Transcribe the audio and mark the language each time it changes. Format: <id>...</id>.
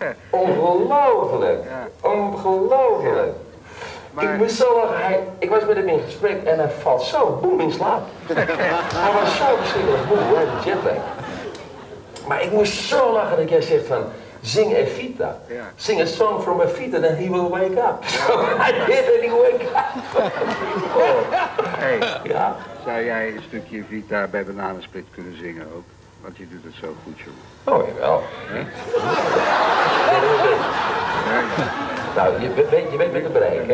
<nl>Ongelooflijk. Ja. Ongelooflijk. Ja. Maar... Ik was met hem in gesprek en hij valt zo boem in slaap. Hij was zo verschrikkelijk boem, hij had een jetlag. Maar ik moest zo lachen dat jij zegt van... Zing Evita.</nl> <en>Yeah. Sing a song from Evita, then he will wake up. So I did and he wake up. Oh. Hey, yeah?</en> <nl>Zou jij een stukje Evita bij Bananensplit kunnen zingen ook? Want je doet het zo goed, jongen. Oh, jawel. Nou, je bent met de bereik, hè?</nl>